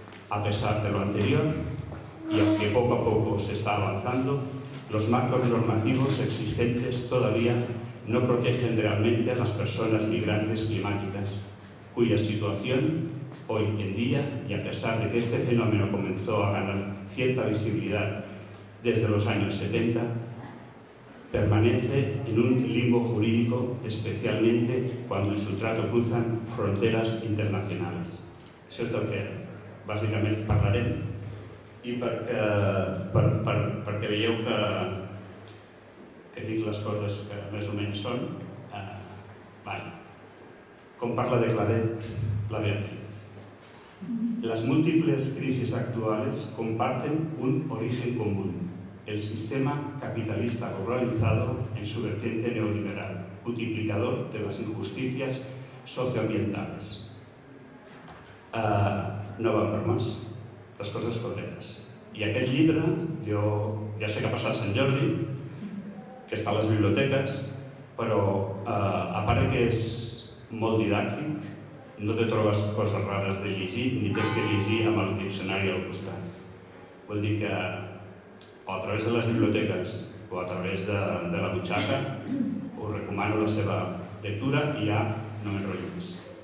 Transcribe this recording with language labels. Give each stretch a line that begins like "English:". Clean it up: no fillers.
Spanish: A pesar de lo anterior, y aunque poco a poco se está avanzando, los marcos normativos existentes todavía no protegen realmente a las personas migrantes climáticas, cuya situación hoy en día, y a pesar de que este fenómeno comenzó a ganar cierta visibilidad desde los años 70, permanece en un limbo jurídico, especialmente cuando en su trato cruzan fronteras internacionales. Eso es lo que básicamente hablaré.
Catalan: Y perquè veieu que dic les coses que més o menys són, com parla de Claret la Beatriz.
Spanish: Las múltiples crisis actuales comparten un origen común, el sistema capitalista globalizado en su vertiente neoliberal, multiplicador de las injusticias socioambientales. No van por más, las cosas correctas. Y aquel libro, yo ya sé que ha pasado Sant Jordi, que está en las bibliotecas, pero aparte que es muy didáctico,
Catalan: no te trobes coses rares de llegir ni tens que llegir amb el diccionari al costat. Vull dir que o a través de les biblioteques o a través de la butxaca us recomano la seva lectura i ja no m'enrotllo més.